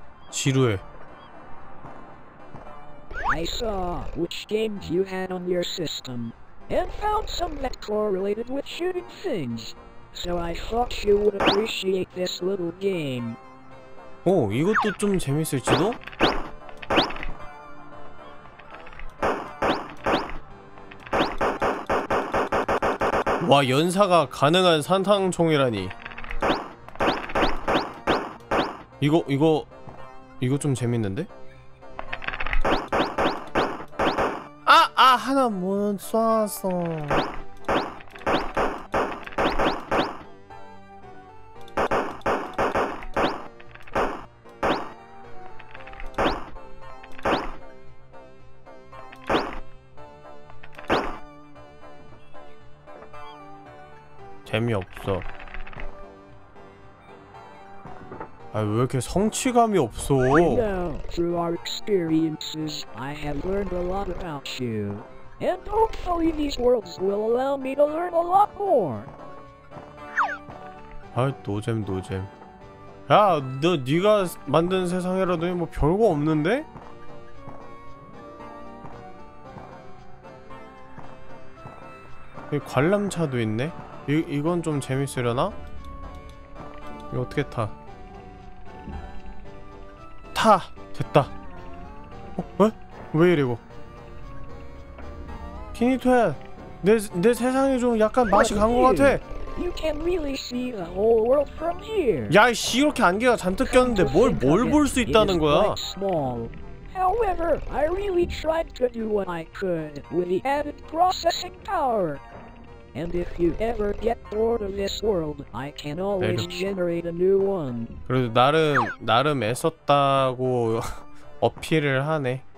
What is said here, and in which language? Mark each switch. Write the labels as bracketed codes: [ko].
[ko] 지루해. [en] I saw which games you had on your system and found some that correlated with shooting things. So I thought you would appreciate this little game. [ko] 오, 이것도 좀 재밌을지도? 와, 연사가 가능한 산탕총이라니. 이거 좀 재밌는데? 아, 하나 못 쏴서. 재미없어. 아, 왜 이렇게 성취감이 없어? [en] I know, through our experiences, I have learned a lot about you. And hopefully these worlds will allow me to learn a lot more. [ko] 아, 노잼, 노잼. 야, 너, 네가 만든 세상이라도 뭐 별거 없는데? 여기 관람차도 있네? 이건 좀 재밌으려나? 이거 어떻게 타? 타! 됐다. 어? 에? 왜 이래 이거? 피니토야, 내 세상이 좀 약간 맛이 간 거 같아. [en] You can really see the whole world from here. [ko] 야, 씨, 이렇게 안개가 잔뜩 꼈는데 뭘 볼 수 있다는 거야? [en] However, I really tried to do what I could with the added processing power. And if you ever get bored of this world, I can always generate a new one. [ko] 그래도 나름 애썼다고 어필을 하네.